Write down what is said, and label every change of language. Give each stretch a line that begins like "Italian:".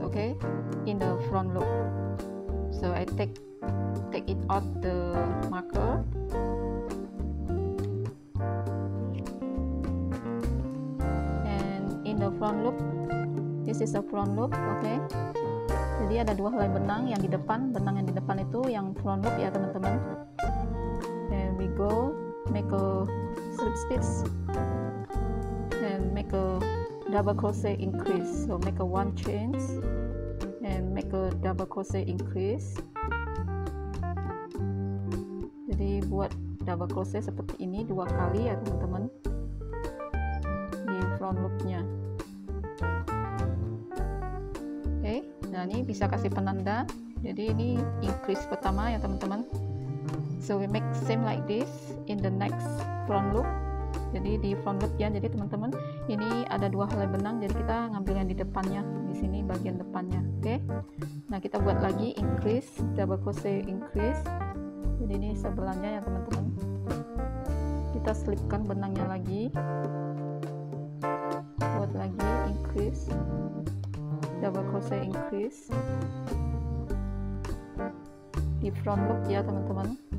English: Okay, in the front loop. So I take it out the marker. And in the front loop, this is a front loop. Okay.
Indonesian: Jadi ada dua helai benang yang di depan. Benang yang di depan itu yang front loop ya teman-teman.
English: And we go make a slip stitch and make a double crochet increase. So make a one chain and make a double crochet increase.
Indonesian: Jadi buat double crochet seperti ini dua kali ya teman-teman di front loopnya. Oke, okay. Nah ini bisa kasih penanda. Jadi ini increase pertama ya teman-teman.
English: So we make same like this in the next front loop.
Indonesian: Jadi di front loop ya, jadi teman-teman ini ada dua helai benang, jadi kita ngambil yang di depannya, di sini bagian depannya, oke? Okay? Nah kita buat lagi increase,
English: double crochet increase,
Indonesian: jadi ini sebelahnya ya teman-teman. Kita slipkan benangnya lagi, buat lagi increase,
English: double crochet increase,
Indonesian: di front loop ya teman-teman.